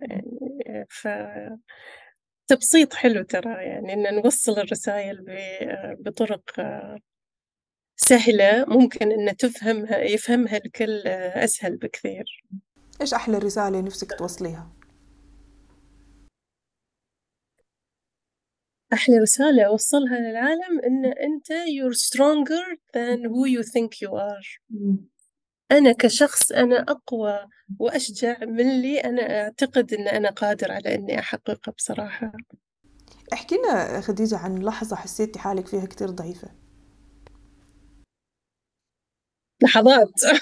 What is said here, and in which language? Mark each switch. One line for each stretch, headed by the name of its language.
Arabic: يعني فتبسيط حلو ترى، يعني إن نوصل الرسائل بطرق سهلة ممكن إنه يفهمها الكل أسهل بكثير. إيش أحلى رسالة نفسك توصليها؟ أحلى رسالة أوصلها للعالم إن أنت
English: you're stronger than who you think you are.
Arabic: أنا كشخص أنا أقوى وأشجع من اللي أنا أعتقد إن أنا قادر على إني أحققه بصراحة. احكي لنا خديجة عن لحظة حسيتي حالك فيها كتير ضعيفة. لحظات.